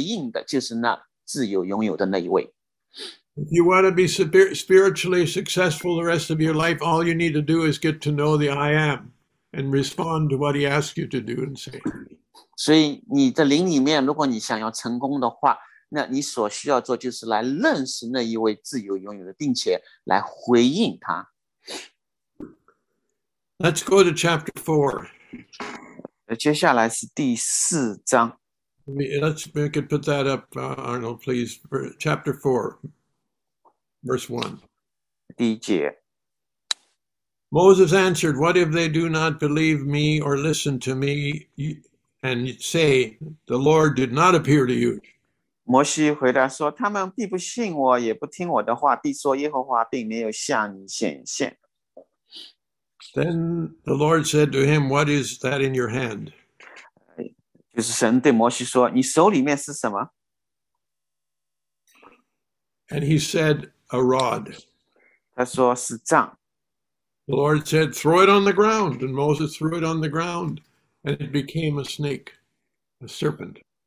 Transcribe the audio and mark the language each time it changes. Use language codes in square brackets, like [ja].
[zh] 所以摩西最终他学习到了，他的之所以会成功，就是因为他知道他需要回应的就是那自由拥有的那一位。 [en] If you want to be spiritually successful the rest of your life, all you need to do is get to know the I am and respond to what he asks you to do and say. [zh] 所以你的灵里面，如果你想要成功的话，那你所需要做就是来认识那一位自由拥有的，并且来回应他。 [en] Let's go to chapter 4. [zh] 接下来是第四章。 [en] Let's make it put that up, Arnold, please. Chapter 4. Verse 1. [zh] 第一节, [en] Moses answered, What if they do not believe me or listen to me? and say, the Lord did not appear to you. [zh] 摩西回答说：“他们必不信我，也不听我的话，必说耶和华并没有向你显现。” [en] Then the Lord said to him, "What is that in your hand?" [zh] 就是神对摩西说：“你手里面是什么？” [en] And he said, "A rod." [zh] 他说是杖。 [en] The Lord said, "Throw it on the ground." And Moses threw it on the ground, and it became a snake, a serpent.